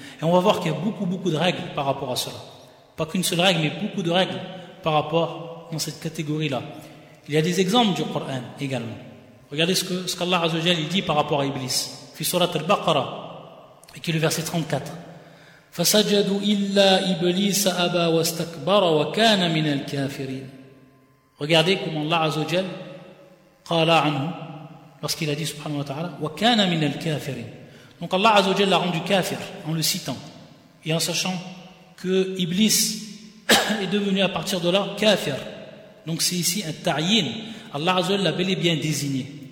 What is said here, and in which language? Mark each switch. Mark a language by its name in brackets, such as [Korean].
[French] Et on va voir qu'il y a beaucoup, beaucoup de règles par rapport à cela. Pas qu'une seule règle, mais beaucoup de règles par rapport dans cette catégorie-là. Il y a des exemples du Coran également. Regardez ce qu'Allah Azza wa Jalla dit par rapport à Iblis. Fi surat al-Baqara, et qui est le verset 34. [Arabic] فسجدوا إلا إبليس أبى واستكبر وكان من الكافرين. [French] Regardez comment Allah Azza wa Jal [Arabic] قال عنه [French] lorsqu'il a dit subhanahu wa ta'ala [Arabic] وكان من الكافرين. [French] Donc Allah Azza wa Jal l'a rendu kafir en le citant et en sachant que Iblis est devenu à partir de là kafir. Donc c'est ici un ta'yin. Allah Azza wa Jal l'a bel et bien désigné.